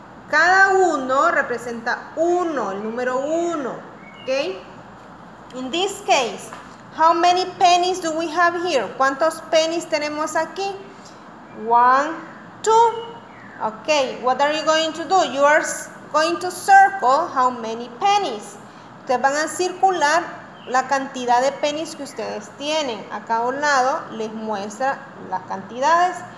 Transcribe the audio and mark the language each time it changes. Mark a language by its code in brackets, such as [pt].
[es] Cada uno representa uno, el número uno, ¿ok? [en] In this case, how many pennies do we have here? [es] ¿Cuántos pennies tenemos aquí? 1, 2. [en] Ok, what are you going to do? You are going to circle how many pennies. [es] Ustedes van a circular la cantidad de pennies que ustedes tienen. Acá a un lado les muestra las cantidades.